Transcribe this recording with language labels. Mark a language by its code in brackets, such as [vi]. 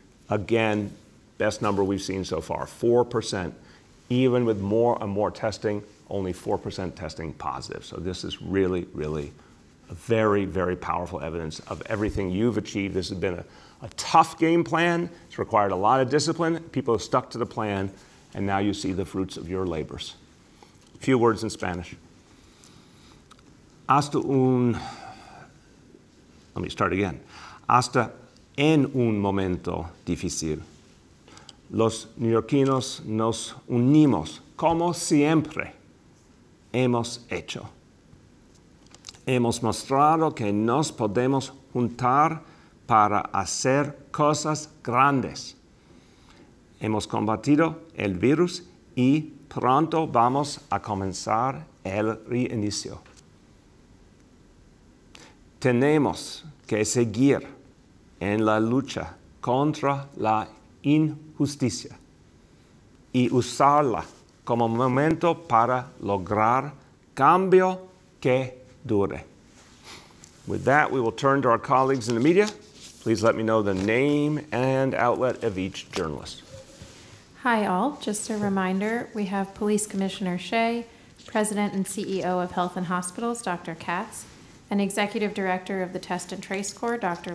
[en] Again, best number we've seen so far, 4%, even with more and more testing, only 4% testing positive. So this is really, really a very, very powerful evidence of everything you've achieved. This has been a tough game plan. It's required a lot of discipline. People have stuck to the plan, and now you see the fruits of your labors. A few words in Spanish. [es] Hasta en un momento difícil, los neoyorquinos nos unimos como siempre. Hemos hecho. Hemos mostrado que nos podemos juntar para hacer cosas grandes. Hemos combatido el virus y pronto vamos a comenzar el reinicio. Tenemos que seguir en la lucha contra la injusticia y usarla como momento para lograr cambio que dure. [en] With that, we will turn to our colleagues in the media. Please let me know the name and outlet of each journalist. Hi, all. Just a reminder, we have Police Commissioner Shea, President and CEO of Health and Hospitals, Dr. Katz, and Executive Director of the Test and Trace Corps, Dr.